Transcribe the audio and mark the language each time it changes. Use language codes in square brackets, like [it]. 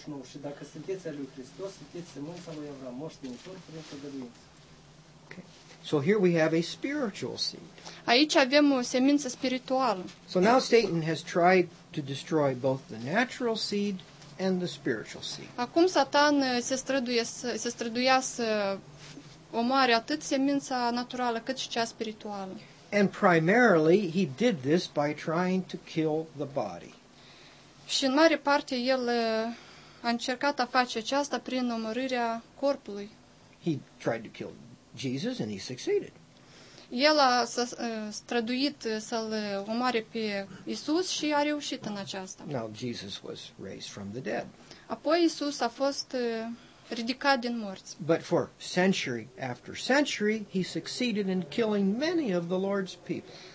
[ro] Și dacă sunteți al lui Hristos, sunteți sămânța lui Avram, moștenitor prin făgăduință. Da, da. Picul 29. Și dacă sunteți al lui Hristos, sunteți sămânța lui Avram, moștenitor prin făgăduință. [en] Okay. So here we have a spiritual seed. [ro] Aici avem o semință spirituală. [en] So now Satan has tried to destroy both the natural seed and the spiritual seed. [ro] Acum Satan se străduiască omoare atât semința naturală cât și cea spirituală. [en] And primarily he did this by trying to kill the body. [ro] Și în mare parte el a încercat a face aceasta prin omorârea corpului. [en] He tried to kill Jesus and he succeeded. [ro] El a străduit să-l omoare pe Isus și a reușit în aceasta. [en] Now Jesus was raised from the dead. [ro] Apoi Isus a fost ridicat din morți. [en] But for century after century, he succeeded in killing many of the Lord's people.